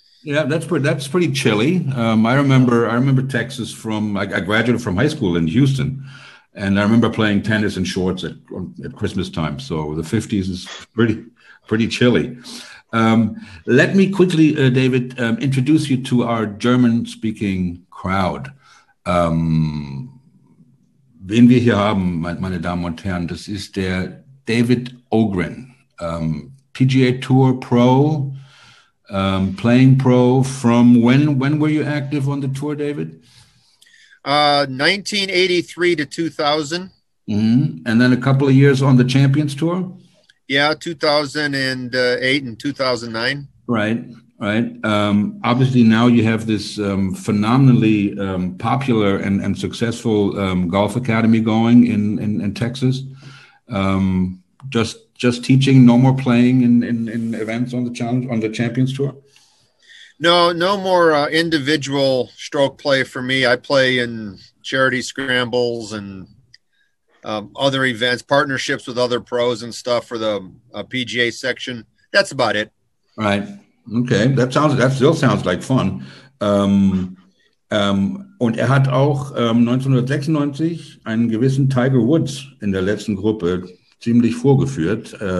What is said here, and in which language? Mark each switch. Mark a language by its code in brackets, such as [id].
[en] Yeah, that's pretty chilly. I remember Texas from, I graduated from high school in Houston, and I remember playing tennis in shorts at Christmas time. So the 50s is pretty chilly. Let me quickly, David, introduce you to our German-speaking crowd. [de] Wen wir hier haben, meine Damen und Herren, das ist der David Ogren, PGA Tour Pro, playing pro. [en] From when were you active on the tour, David? 1983 to 2000. Mm-hmm. And then a couple of years on the Champions Tour? Yeah, 2008 and 2009. Right. Obviously, now you have this phenomenally popular and successful golf academy going in Texas. Just teaching, no more playing in events on the Champions Tour. No more individual stroke play for me. I play in charity scrambles and other events, partnerships with other pros and stuff for the PGA section. That's about it. Right. Okay, that still sounds like fun. [de] Und er hat auch 1996 einen gewissen Tiger Woods in der letzten Gruppe ziemlich vorgeführt.